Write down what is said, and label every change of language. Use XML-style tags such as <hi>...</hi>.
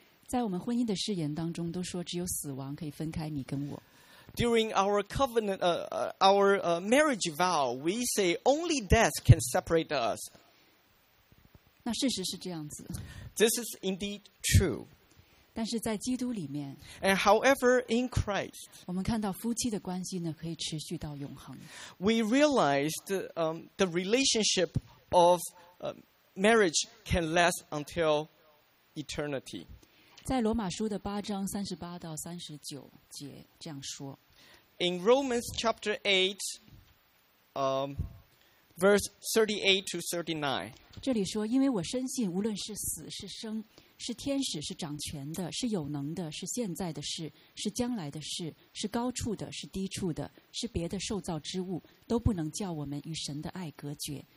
<zh>在我们婚姻的誓言当中都说只有死亡可以分开你跟我。</zh> <en>During our covenant, our marriage vow, we say only death can separate us.</en> <zh>那事实是这样子。</zh> <en>This is indeed true.</en> <zh>但是在基督里面。</zh> <en>And however, in Christ,</en> <zh>我们看到夫妻的关系呢可以持续到永恒。</zh> <en>We realized the relationship of marriage can last until eternity.</en> <zh>在罗马书的八章三十八到三十九节这样说。</zh> <en>In Romans chapter 8, verse 38 to 39.</en> <zh>这里说，因为我深信，无论是死是生，是天使是掌权的，是有能的，是现在的事，是将来的事，是高处的，是低处的，是别的受造之物，都不能叫我们与神的爱隔绝。</zh>